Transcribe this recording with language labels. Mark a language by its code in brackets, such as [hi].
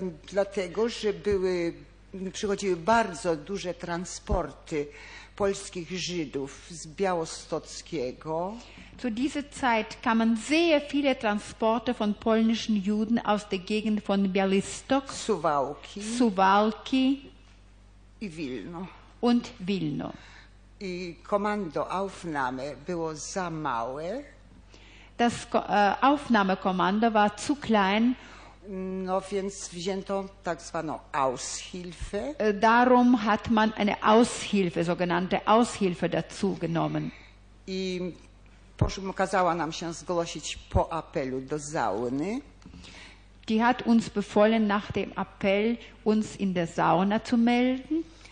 [pl] Dlatego, że przychodziły bardzo duże transporty polskich Żydów z Białostockiego. [de] Zu dieser Zeit kamen sehr viele Transporte von polnischen Juden aus der Gegend von Białystok, [pl] Suwałki i Wilno. [de] Und Wilno. [pl] I Kommandoaufnahme było za małe. [de] Das Aufnahmekommando war zu klein. [pl] No więc wzięto tak zwaną Aushilfe. [de] Darum hat man eine Aushilfe, sogenannte Aushilfe, dazu genommen. [pl] I kazała nam się zgłosić po apelu do sauny. [de] Die hat uns befohlen, nach dem Appell uns in der Sauna zu melden.